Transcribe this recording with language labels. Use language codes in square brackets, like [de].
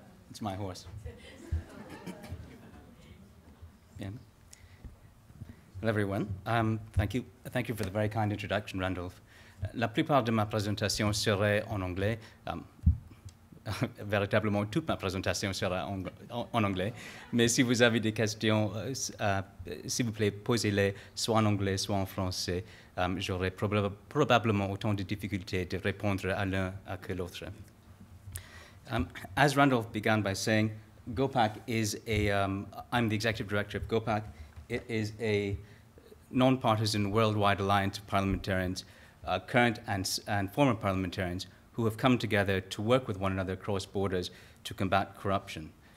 [en] It's my horse. Yeah. Hello, everyone. Thank you. Thank you for the very kind introduction, Randolph. [fr] La plupart de ma présentation serait en anglais. Véritablement, toute ma présentation sera en anglais. Mais si vous avez des questions, s'il vous plaît, posez-les soit en anglais, soit en français. J'aurai probablement autant de difficultés de répondre à l'un que à l'autre. [en] As Randolph began by saying, GOPAC is a, I'm the executive director of GOPAC. It is a nonpartisan worldwide alliance of parliamentarians, current and former parliamentarians, who have come together to work with one another across borders to combat corruption.